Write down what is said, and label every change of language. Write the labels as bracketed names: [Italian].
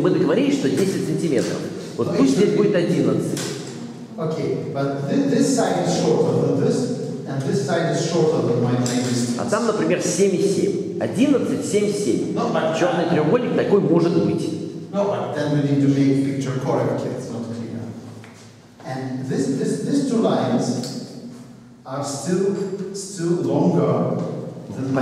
[Russian] Мы договорились, что 10 сантиметров. Вот но пусть здесь будет 11. [English] Окей, okay, but this side is shorter than this, and this side is shorter than my distance. [Russian] А там, например, 7,7. 11,7,7. [English] No, [Russian] черный треугольник такой может быть. [English] No, but then we need to make picture correctly, it's not clear. And these two lines are still longer than my